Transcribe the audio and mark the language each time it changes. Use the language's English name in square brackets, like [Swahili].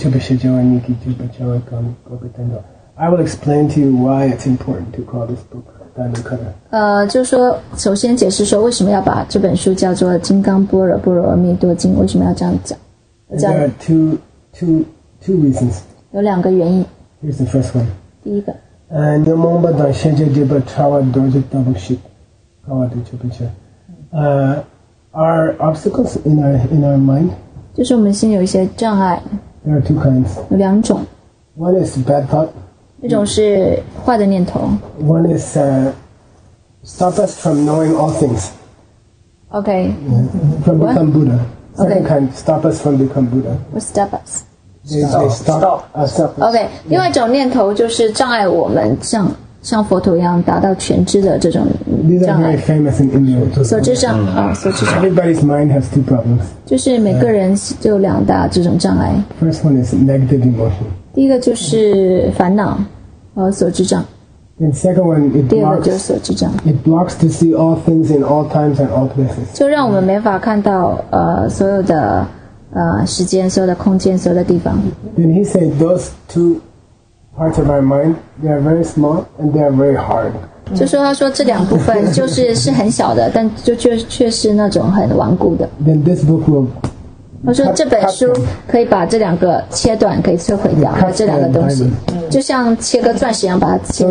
[English] I will explain to you why it's important to call this book Dhammakatha. [Chinese] 就说首先解释说为什么要把这本书叫做《金刚般若波罗蜜多经》，为什么要这样讲？ [English] There are two reasons. [Chinese] 有两个原因。 [English] Here's the first one. [Chinese] 第一个。 [English] Our obstacles in our mind. [Chinese] 就是我们心有一些障碍。 [English] There are 2 kinds. [Chinese] 有两种。 [English] One is bad thought. [Chinese] 一种是坏的念头。 [English] One is stop us from knowing all things. Okay. Yeah. From become Buddha. Second kind, stop us from become Buddha. What stop us? Stop. Okay. [Chinese] 另外一种念头就是障碍我们像佛陀一样达到全知的这种障碍。 [English] These are very famous in India. [Chinese] 所知障啊，所知障。 [English] Everybody's mind has 2 problems. [Chinese] 就是每个人就两大这种障碍。 [English] First one is negative emotion. [Chinese] 第一个就是烦恼和所知障。 [English] And second one, it blocks. It blocks to see all things in all times and all places. [Chinese] 就让我们没法看到所有的。时间所有的空间所有的地方。 [English] Then he said those 2 parts of our mind, they are very small and they are very hard. [Chinese] 就说他说这两部分就是是很小的，但就却是那种很顽固的。 [English] Then this book will. [Chinese] 他说这本书可以把这两个切断，可以摧毁掉，这两个东西，就像切割钻石一样把它切掉。